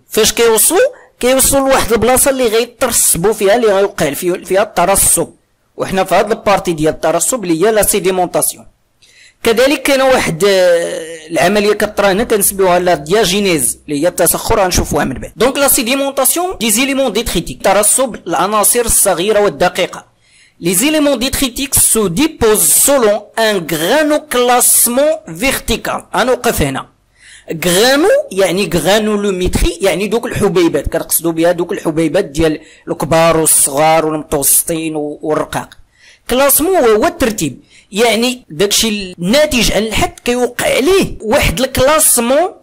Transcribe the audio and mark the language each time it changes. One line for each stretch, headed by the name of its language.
Arabic: فاش كيوصلوا؟ كيوصلوا لواحد البلاصه اللي غيترسبوا فيها، اللي غيوقع فيها الترسب، وحنا في هاد البارتي ديال الترسب اللي هي لا سيديمونطاسيون. كذلك كاين واحد العمليه كطرا هنا كنسميوها لا دياجينيز، اللي هي التسخر، غنشوفوها من بعد.
French: دونك لا سيديمونطاسيون دي زيليمون ديتريتيك،
Arabic: ترسب العناصر الصغيره والدقيقه.
French: Les éléments détritiques se déposent selon un granoclassement vertical. On va voir ici.
Arabic: Grano, يعني granulométrie, يعني دوك الحبيبات. كنقصدوا بها دوك الحبيبات ديال الكبار والصغار والمتوسطين والرقاق. كلاسمون هو الترتيب، يعني داكشي الناتج عن الحد كيوقع عليه واحد الكلاسمون.